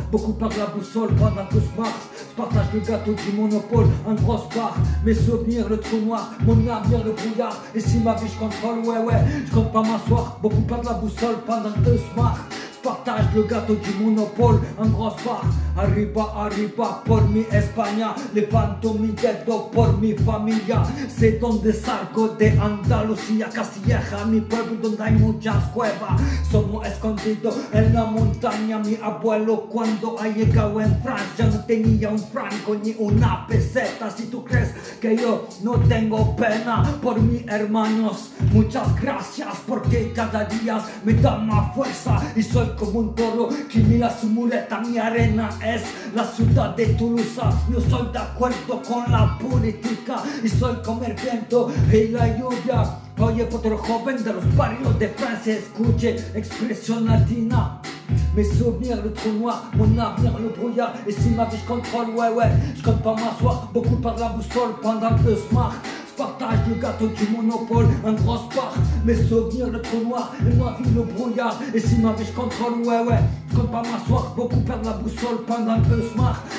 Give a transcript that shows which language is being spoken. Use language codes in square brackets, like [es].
[fr] Beaucoup par la boussole, pendant que je marche. Je partage le gâteau du monopole en grosse part. Mes souvenirs, le trou noir, mon avenir, le brouillard. Et si ma vie, je contrôle, ouais, je compte pas m'asseoir. Beaucoup par la boussole, pendant que je marche. Je partage le gâteau du monopole en grosse part. [es] Arriba, arriba, por mi España. [fr] Les pantomis ghetto, [es] por mi familia. [fr] C'est [es] donde salgo de Andalucía, Castilleja, mi pueblo donde hay muchas cuevas. Somos escondidos en la montaña. Mi abuelo cuando ha llegado en Francia no tenía un franco ni una peseta. Si tú crees que yo no tengo pena por mis hermanos, muchas gracias porque cada día me da más fuerza. Y soy como un toro que mira su muleta. Mi arena es la ciudad de Tolosa. Yo soy de acuerdo con la política y soy como el viento y la lluvia. Oye, otro joven de los barrios de Francia, escuche expresión latina. [fr] Mes souvenirs, le trou noir, mon avenir, le brouillard. Et si ma vie, je contrôle, ouais, je compte pas m'asseoir. Beaucoup par la boussole pendant que je marche. Partage le gâteau du monopole en grosse part. Mes souvenirs, le trou noir, et ma vie, le brouillard. Et si ma vie, je contrôle, ouais, je compte pas m'asseoir. Beaucoup perdre la boussole pendant que je marche.